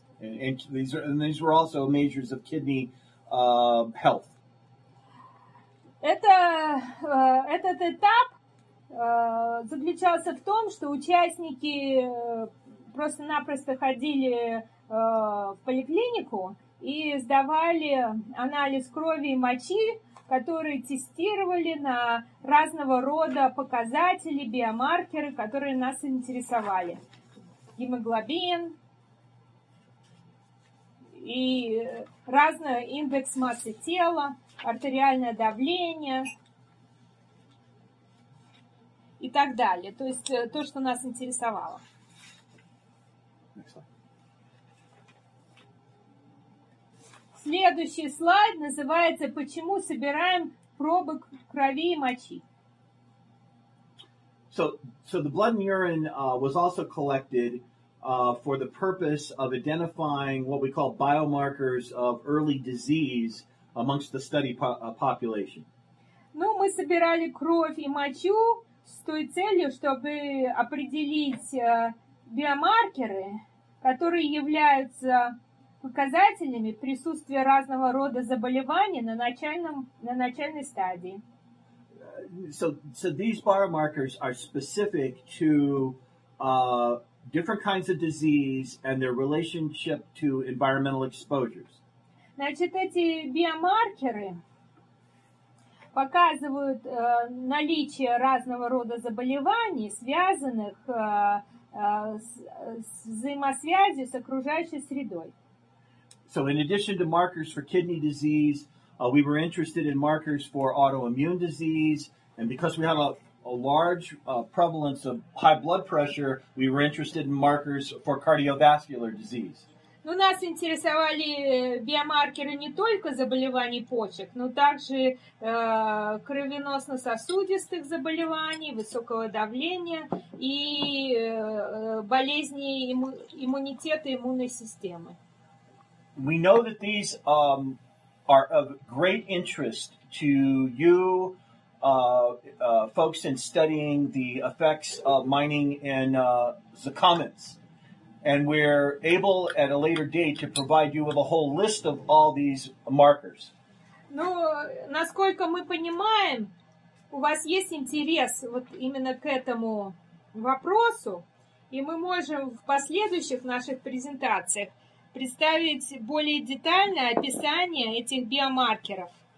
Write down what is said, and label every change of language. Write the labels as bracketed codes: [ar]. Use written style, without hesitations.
[en] And these were also measures of kidney health. [ru] Этот этап заключался в том, что участники просто-напросто ходили в поликлинику и сдавали анализ крови и мочи, которые тестировали на разного рода показатели, биомаркеры, которые нас интересовали. Гемоглобин и разный индекс массы тела, артериальное давление и так далее. То есть то, что нас интересовало. Следующий слайд называется «Почему собираем пробы крови и мочи?». [en] So the blood and urine was also collected for the purpose of identifying what we call biomarkers of early disease amongst the study population. [ru] Ну, мы собирали кровь и мочу с той целью, чтобы определить биомаркеры, которые являются показателями присутствия разного рода заболеваний на начальной стадии. [en] So these biomarkers are specific to different kinds of disease and their relationship to environmental exposures. [ru] Значит, эти биомаркеры показывают наличие разного рода заболеваний, связанных с взаимосвязью с окружающей средой. [en] So in addition to markers for kidney disease, we were interested in markers for autoimmune disease. And because we have a large prevalence of high blood pressure, we were interested in markers for cardiovascular disease. [ru] Ну, нас интересовали биомаркеры не только заболеваний почек, но также кровеносно-сосудистых заболеваний, высокого давления и болезней иммунитета и иммунной системы. [en] We know that these are of great interest to you folks in studying the effects of mining in Zakamans. And we're able at a later date to provide you with a whole list of all these markers. [ru] Ну, насколько мы понимаем, у вас есть интерес вот именно к этому вопросу, и мы можем в последующих наших презентациях представить более детальное описание этих биомаркеров.